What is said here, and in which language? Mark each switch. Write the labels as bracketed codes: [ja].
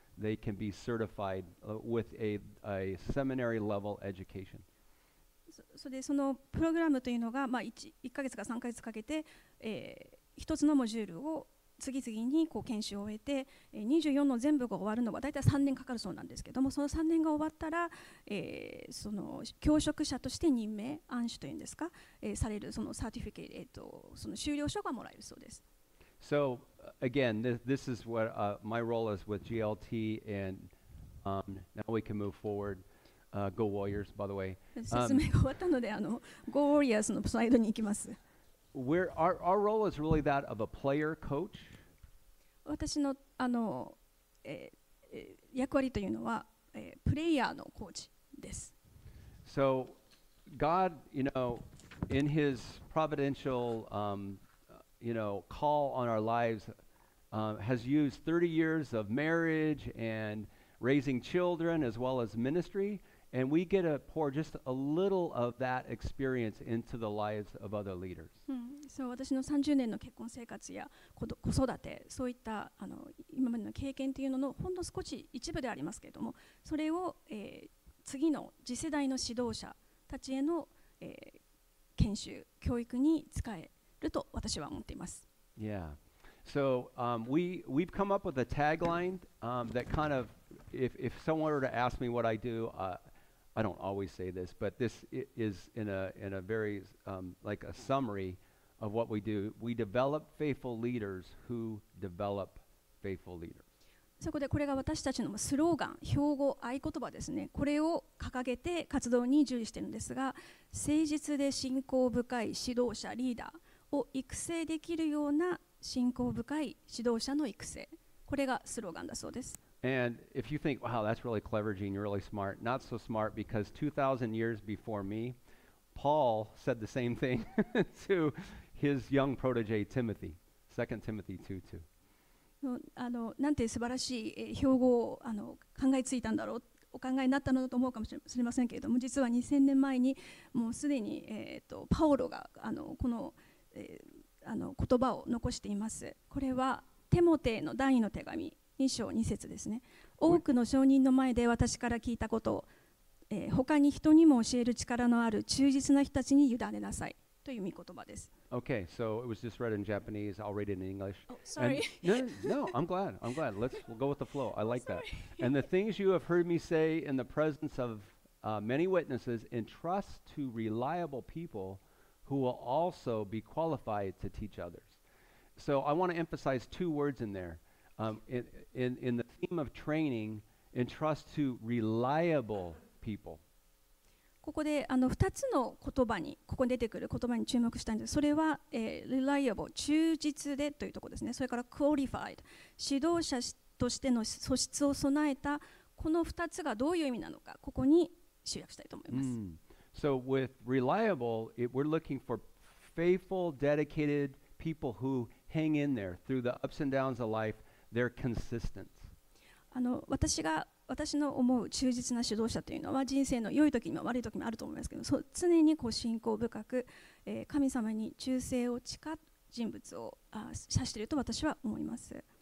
[en] They can be certified with a seminary level education. So, so the program [ja] というのが、まあ、1ヶ月か3ヶ月かけて、1つのモジュールを次々にこう研修を終えて、24の全部が終わるのはだいたい3年かかるそうなんですけども、その3年が終わったら、その教職者として任命、安守というんですか、されるそのサーティフィケート、その修了書がもらえるそうです。 [en] So,Again, this is what my role is with GLT, and now we can move forward. Go Warriors, by the way. [ja] 説明が終わったので、あの、Go Warriors のスライドに行きます。 [en] Our role is really that of a player coach. [ja] 私の、あの、役割というのは、プレイヤーのコーチです。 [en] So, God, you know, in his providential, you know, call on our lives,has used 30 years of marriage and raising children as well as ministry, and we get to pour just a little of that experience into the lives of other leaders. [ja] So, 私の30年の結婚生活や子育て、そういったあの今までの経験というののほんの少し一部でありますけれども、それを、次の次世代の指導者たちへの、研修、教育に使えると私は思っています。 [en] Yeah.So we've come up with a tagline that kind of if someone were to ask me what I do, I don't always say this, but this is in a very like a summary of what we do. We develop faithful leaders who develop faithful leaders. [ja] そこでこれが私たちのスローガン、標語、合言葉ですね。これを掲げて活動に従事しているんですが、誠実で信仰深い指導者、リーダーを育成できるような信仰深い指導者の育成、これがスローガンだそうです。 [en] And if you think, wow, that's really clever, Gene, you're really smart. Not so smart because 2,000 years before me, Paul said the same thing to his young protege, Timothy, 2 Timothy 2:2. [ja] あのなんて素晴らしい、標語をあの考えついたんだろうお考えになったのだと思うかもしれませんけれども実は2000年前にもうすでに、パオロがあのこの、あの言葉を残していますこれはテモテの第二の手紙2章2節ですね多くの証人の前で私から聞いたことを、他に人にも教える力のある忠実な人たちに委ねなさいという御言葉です [en] Okay, so it was just read in Japanese. I'll read it in English. Oh, sorry. I'm glad. We'll go with the flow. I like that. And the things you have heard me say in the presence of many witnesses, entrust to reliable people who will also be qualified to teach others. So I want to emphasize two words in there. In the theme of training, entrust to reliable people. [ja] ここであの2つの言葉にここに出てくる言葉に注目したいんですそれは、reliable 忠実でというところですねそれから qualified 指導者としての素質を備えたこの2つがどういう意味なのかここに集約したいと思います、mm. [en] So with reliable it, we're looking for faithful dedicated people who hang in there through the ups and downs of life they're consistent [ja] あの私の思う忠実な指導者というのは人生の良い時にも悪い時にもあると思いますけど常にこう信仰深く、神様に忠誠を誓う人物を指していると私は思います。